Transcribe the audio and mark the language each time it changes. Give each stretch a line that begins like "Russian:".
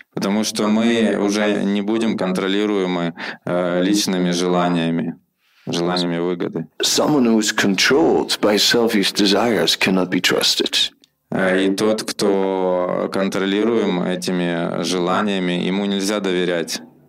Russian: Потому что мы уже не будем контролируемы личными желаниями, желаниями выгоды.
English: Someone who is controlled by selfish desires cannot be trusted.
Russian: И тот, кто контролируем этими желаниями, ему нельзя доверять.